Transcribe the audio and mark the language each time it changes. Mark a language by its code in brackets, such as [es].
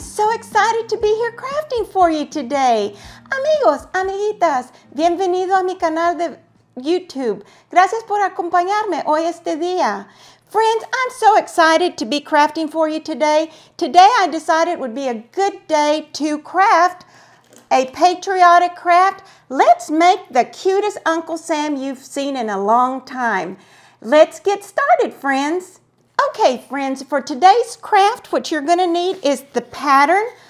[en] excited to be here crafting for you today. [es] Amigos, amiguitas, bienvenido a mi canal de YouTube. Gracias por acompañarme hoy este día. [en] Friends, I'm so excited to be crafting for you today. Today I decided it would be a good day to craft a patriotic craft. Let's make the cutest Uncle Sam you've seen in a long time. Let's get started, friends. Okay, friends, for today's craft, what you're going to need is the pattern.